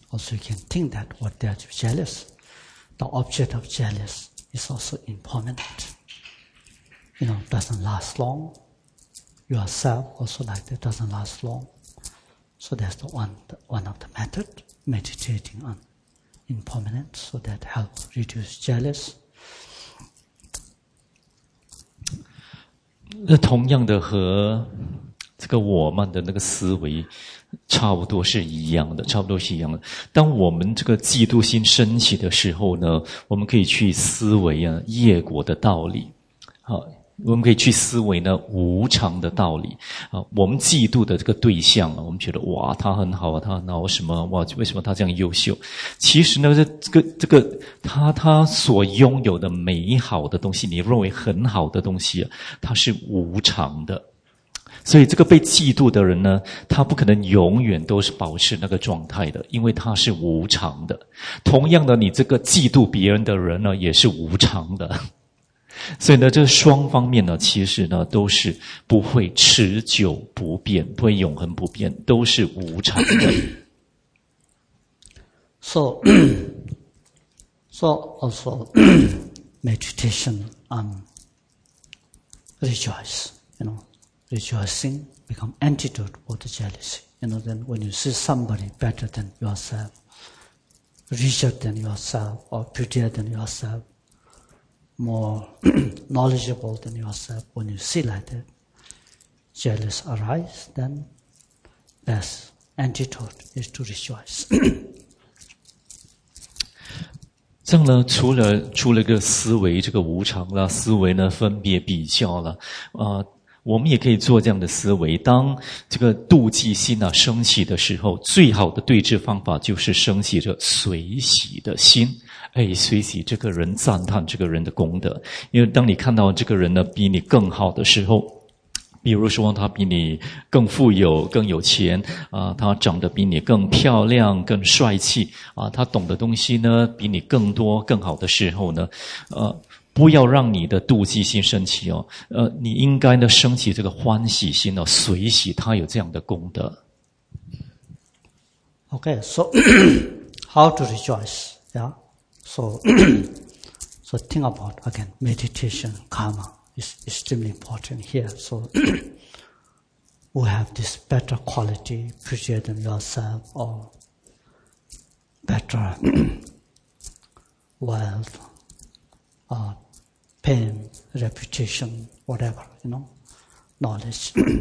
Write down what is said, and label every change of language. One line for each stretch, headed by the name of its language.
English: Also you can think that what they are jealous. The object of jealous is also impermanent. You know, doesn't last long. Yourself also like that doesn't last long. So that's the one of the method, meditating on impermanent, so that helps reduce jealous.
Chinese: 那同样的和这个我慢的那个思维差不多是一样的，差不多是一样的。当我们这个嫉妒心升起的时候呢，我们可以去思维啊业果的道理，好，我们可以去思维呢无常的道理啊。我们嫉妒的这个对象啊，我们觉得哇他很好啊，他很好什么哇，为什么他这样优秀？其实呢，这个他所拥有的美好的东西，你认为很好的东西啊，它是无常的。所以这个被嫉妒的人呢，他不可能永远都是保持那个状态的，因为他是无常的。同样的，你这个嫉妒别人的人呢，也是无常的。所以呢，这双方面呢，其实呢，都是不会持久不变，不会永恒不变，都是无常的。
English: So also meditation on rejoice, you know, rejoicing become antidote for the jealousy. You know, then when you see somebody better than yourself, richer than yourself, or prettier than yourself. More knowledgeable than yourself, when you see like that, jealous arise, then best antidote is to rejoice.
Chinese: 这样呢，除了个思维这个无常啦，思维呢分别比较啦，我们也可以做这样的思维。当这个妒忌心啊升起的时候，最好的对治方法就是升起着随喜的心。哎，随喜这个人，赞叹这个人的功德。因为当你看到这个人呢比你更好的时候，比如说他比你更富有更有钱啊，他长得比你更漂亮更帅气啊，他懂的东西呢比你更多更好的时候呢，不要让你的妒忌心升起哦，你应该呢升起这个欢喜心哦，随喜他有这样的功德。
English: Okay, so how to rejoice? Yeah, so think about again meditation karma is extremely important here. So who have this better quality, prettier than yourself, or better wealth, or fame, reputation, whatever, you know, knowledge.